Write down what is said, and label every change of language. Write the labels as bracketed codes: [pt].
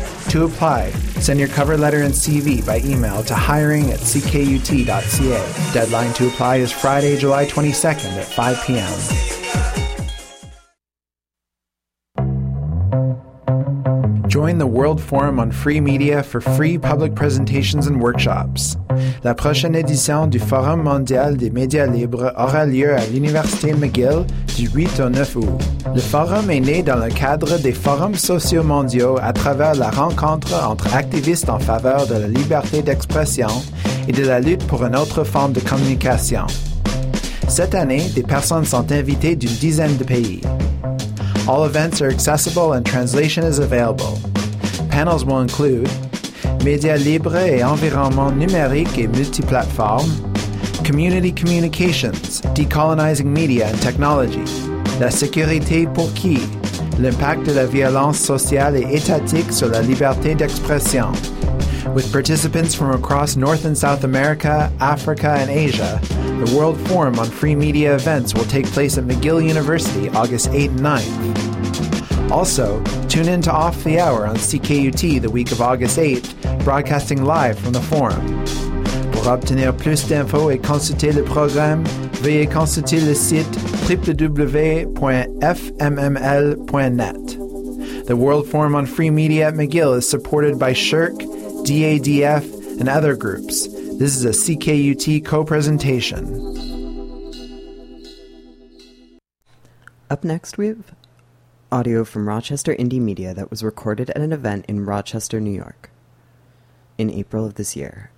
[en] To apply, send your cover letter and CV by email to hiring@ckut.ca. Deadline to apply is Friday, July 22nd at 5 p.m. Join the World Forum on Free Media for free public presentations and workshops. [fr] La prochaine édition du Forum mondial des médias libres aura lieu à l'Université McGill du 8 au 9 août. Le forum est né dans le cadre des forums sociaux mondiaux à travers la rencontre entre activistes en faveur de la liberté d'expression et de la lutte pour une autre forme de communication. Cette année, des personnes sont invitées d'une dizaine de pays. [en] All events are accessible and translation is available. Panels will include [fr] Médias libres et environnement numérique et multiplateforme, [en] Community Communications, Decolonizing Media and Technology, [fr] La sécurité pour qui? L'impact de la violence sociale et étatique sur la liberté d'expression. [en] With participants from across North and South America, Africa, and Asia, the World Forum on Free Media events will take place at McGill University August 8th and 9th. Also, tune in to Off the Hour on CKUT the week of August 8th, broadcasting live from the forum. [fr] Pour obtenir plus d'infos et consulter le programme, veuillez consulter le site www.fmml.net. [en] The World Forum on Free Media at McGill is supported by SHRC, DADF, and other groups. This is a CKUT co-presentation. Up next, we have audio from Rochester Indie Media that was recorded at an event in Rochester, New York, in April of this year.